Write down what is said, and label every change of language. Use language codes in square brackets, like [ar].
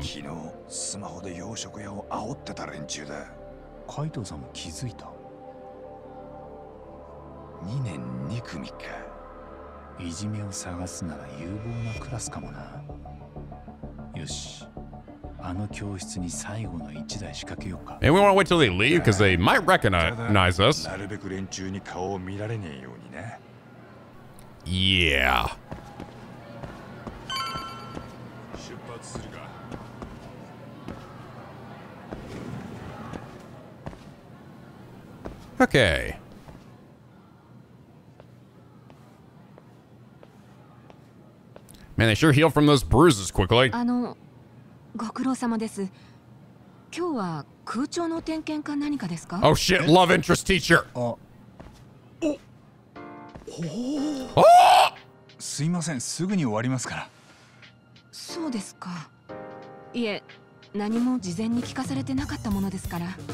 [ja] 昨日スマホで洋食屋を煽ってた連中だ。カイトさんも気づいた。 2年2組か。いじめを探すなら有望なクラスかもな。よし、あの教室に最後の1台仕掛けようか。 [en] And we want to wait till they leave because they might recognize us. [ja] なるべく連中に顔を見られねえようにね。 [en] Yeah. Okay. Man, they sure heal from those bruises quickly. [ja] ご苦労様です。今日は空調の点検か何かですか? [en] Oh shit, love interest teacher! [ja] すいません、すぐに終わりますから。そうですか。いえ、何も事前に聞かされてなかったものですから。